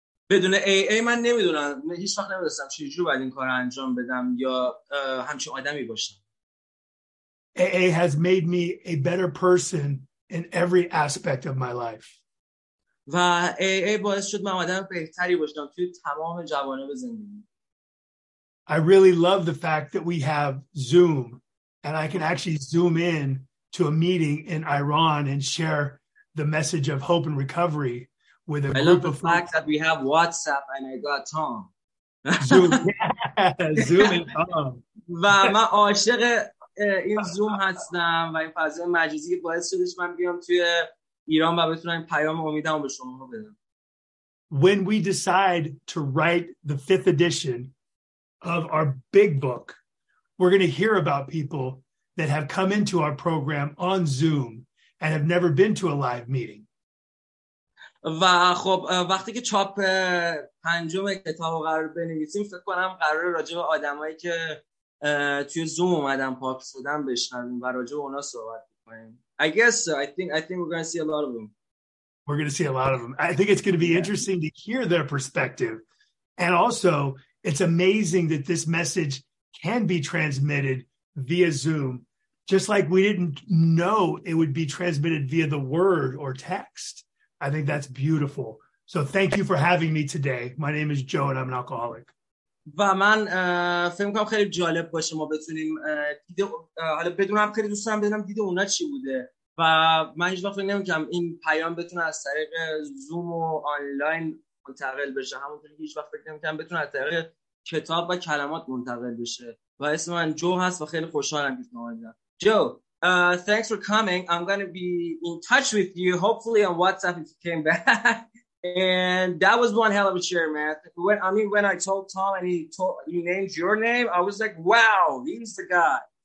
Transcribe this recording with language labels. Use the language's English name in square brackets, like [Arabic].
[Persian] بدون AA من نمیدونم هیچ وقت نمیدونستم چجوری باید این کار انجام بدم یا همچین آدمی باشم. [English] AA has made me a better person in every aspect of my life. [Persian] و AA باعث شد من آدم بهتری باشم توی تمام جوانب زندگی. [English] I really love the fact that we have Zoom. And I can actually zoom in to a meeting in Iran and share the message of hope and recovery with a group of people. I love the fact that we have WhatsApp and I got Tom. Zoom and Tom. [Persian] و من عاشق این زوم هستم و این فضای مجازی که باعث شدش من بیام توی ایران و بتونم پیام امیدمو به شما بدم. [English] When we decide to write the fifth edition of our big book, we're going to hear about people that have come into our program on Zoom and have never been to a live meeting. [Persian] و خب وقتی که چاپ پنجم کتابو قرار بنویسیم فکر کنم قراره راجع به آدمایی که توی زوم اومدن پاپس بودن بشنویم و راجع به اونا صحبت کنیم. [English] I think we're going to see a lot of them. We're going to see a lot of them. I think it's going to be interesting to hear their perspective. And also, it's amazing that this message can be transmitted via Zoom, just like we didn't know it would be transmitted via the word or text. I think that's beautiful. So thank you for having me today. My name is Joe and I'm an alcoholic. [Persian] و من فکر می‌کنم خیلی جالب باشه ما بتونیم حالا بدونم خیلی دوست دارم بدونم دیده اونا چی بوده و من هیچ وقت نمی‌دونم این پیام بتونه از طریق زوم و آنلاین منتقل بشه همونطوری هیچ وقت فکر نمی‌کنم بتونه از طریق کتاب و کلمات منتقل بشه. و اسم من جو هست و خیلی خوشحالم که شما اینجا. [English] Joe, thanks for coming. I'm going to be in touch with you hopefully on WhatsApp if you came back. And that was one hell of a cheer, man. When I mean, when I told Tom and he told you named your name, I was like, wow, he's the guy.